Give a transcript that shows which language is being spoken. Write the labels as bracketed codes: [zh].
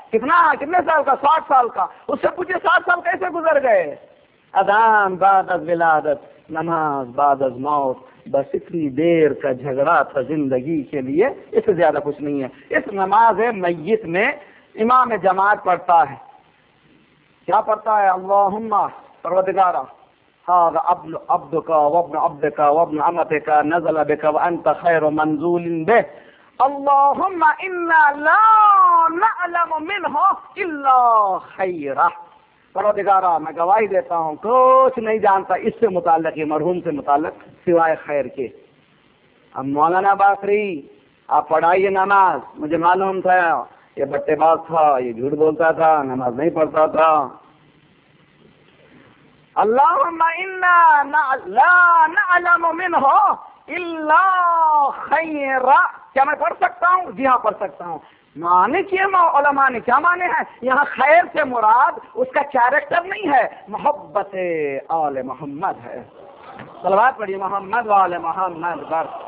[ur] کتنا, کتنے سال کا؟ 60 سال کا. اس سے پوچھے 60 سال کیسے گزر گئے؟ اذان بعد از ولادت, نماز بعد از موت. بس اتنی دیر کا جھگڑا تھا زندگی کے لیے, اس سے زیادہ کچھ نہیں ہے. اس نماز میت میں امام جماعت پڑھتا ہے. کیا پڑھتا ہے؟ [ar] اللہم پروردگارا, هذا عبدك وابن عبدك وابن عمتك نزل بك وانت خير منزول به, اللهم انا لا نعلم منه الا خيرا. [ur] پروردگارا میں گواہی دیتا ہوں کچھ نہیں جانتا اس سے متعلق, یہ مرحوم سے متعلق, سوائے خیر کے. اب مولانا باقری آپ پڑھائیے نماز. مجھے معلوم تھا یہ بٹے باز تھا, یہ جھوٹ بولتا تھا, نماز نہیں پڑھتا تھا. [ar] اللهم انا لا نعلم منه الا خيرا. [ur] کیا میں پڑھ سکتا ہوں؟ جی ہاں پڑھ سکتا ہوں. معنی کیا علماء نے, کیا معنی ہے یہاں؟ خیر سے مراد اس کا کیریکٹر نہیں ہے, محبت آل محمد ہے. صلوات پڑھیے محمد وآل محمد پر.